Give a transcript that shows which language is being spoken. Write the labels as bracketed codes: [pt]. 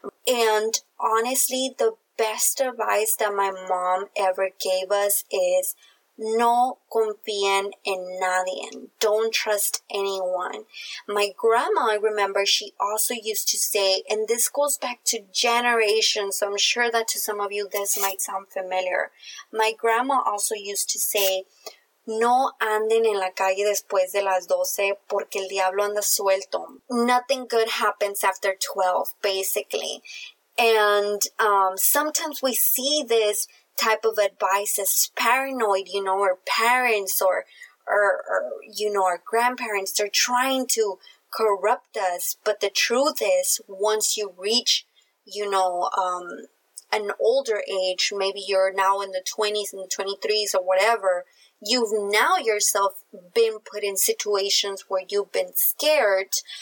[en] And honestly, the best advice that my mom ever gave us is [es] no confíen en nadie. [en] Don't trust anyone. My grandma, I remember, she also used to say, and this goes back to generations, so I'm sure that to some of you this might sound familiar. My grandma also used to say, [es] no anden en la calle después de las 12 porque el diablo anda suelto. [en] Nothing good happens after 12, basically. And sometimes we see this type of advice as paranoid, you know, our parents or you know, our grandparents, they're trying to corrupt us. But the truth is, once you reach, you know, an older age, maybe you're now in the 20s and the 23s or whatever, you've now yourself been put in situations where you've been scared.